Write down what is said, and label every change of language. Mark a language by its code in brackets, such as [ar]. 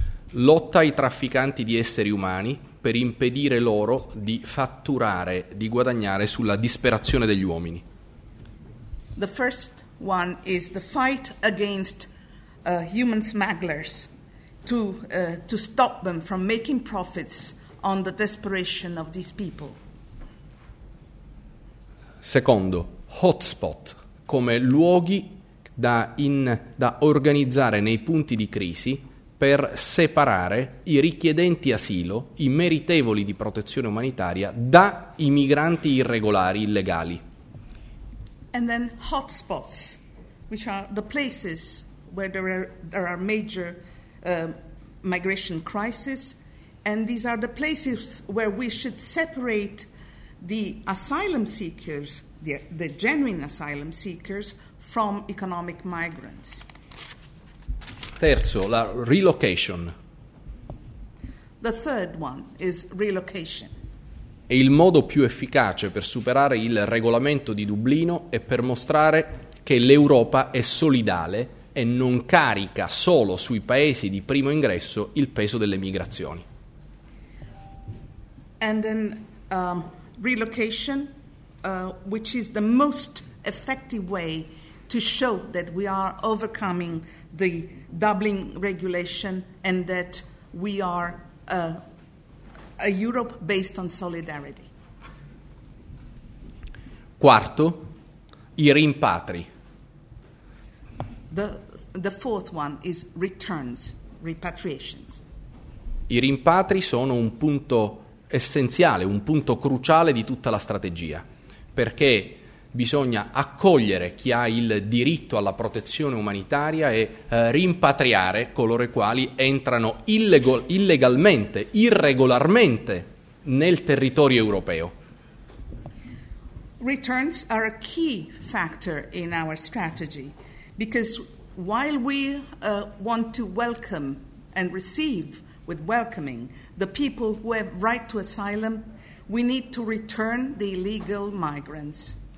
[it] Lotta ai trafficanti di esseri umani per impedire loro di fatturare, di guadagnare sulla disperazione degli uomini. [en] The first one is the fight against human smugglers to stop them from making profits on the desperation of these people. [it] Secondo, hotspot, come luoghi da organizzare nei punti di crisi per separare i richiedenti asilo, i meritevoli di protezione umanitaria, da i migranti irregolari, illegali. [en] And then hotspots, which are the places where there are major migration crises, and these are the places where we should separate the asylum seekers, the genuine asylum seekers, from economic migrants. [it] Terzo, la relocation. [en] The third one is relocation. [it] È il modo più efficace per superare il regolamento di Dublino e per mostrare che l'Europa è solidale e non carica solo sui paesi di primo ingresso il peso delle migrazioni. [en] And then relocation, which is the most effective way to show that we are overcoming the Dublin regulation and that we are a Europe based on solidarity. [it] Quarto, i rimpatri. [en] The fourth one is returns, repatriations. [it] I rimpatri sono un punto essenziale, un punto cruciale di tutta la strategia, perché bisogna accogliere chi ha il diritto alla protezione umanitaria e rimpatriare coloro i quali entrano illegalmente, irregolarmente nel territorio europeo. [en] Returns are a key factor in our strategy because while we want to welcome and receive with welcoming the people who have right to asylum, we need to return the illegal migrants.